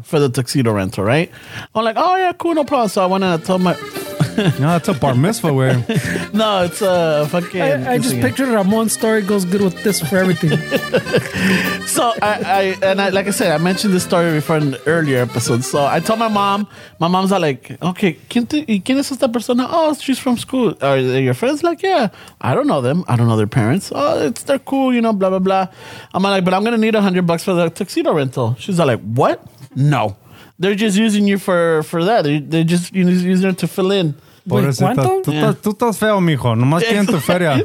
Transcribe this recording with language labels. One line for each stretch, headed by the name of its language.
English: For the tuxedo rental, right? I'm like, oh yeah, cool, no problem. So I went and I told my... No, it's a bar mitzvah wear. No, it's a fucking... I just pictured Ramon's story goes good with this for everything. So, I like I said, I mentioned this story before in the earlier episode. So, I told my mom. My mom's like, okay,
Spanish: ¿quién es esta persona?
English: Oh, she's from school. Are they your friends? Like, yeah. I don't know them. I don't know their parents. Oh, they're cool, you know, blah, blah, blah. I'm like, but I'm going to need $100 for the tuxedo rental. She's like, what? No. They're just using you for that. They just using it to fill in.
Spanish: Tú estás feo, mijo. Nomás quieren tu feria.